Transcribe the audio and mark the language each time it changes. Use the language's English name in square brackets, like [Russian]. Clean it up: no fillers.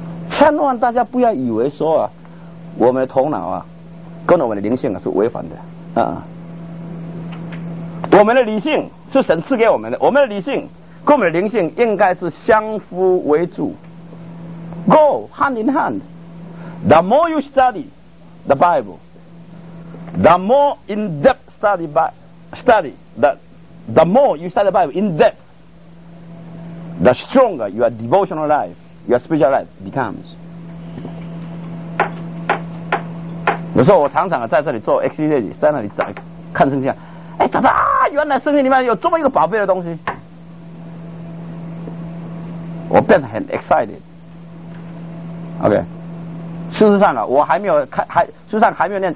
[Chinese] 千万大家不要以为说啊，我们的头脑啊跟我们的灵性啊是违反的啊，我们的理性是神赐给我们的，我们的理性跟我们的灵性应该是相互为主， [English] Go hand in hand。 The more you study the Bible, the more in depth the more you study the Bible in depth, the stronger your devotional life, your spiritual life becomes。 [Chinese] 有时候我常常在这里做 exegesis， 在那里找看圣经，哎，找到啊，原来圣经里面有这么一个宝贝的东西。我变得很 excited。 OK， 事实上呢、啊，我还没有看，还事实上还没有念。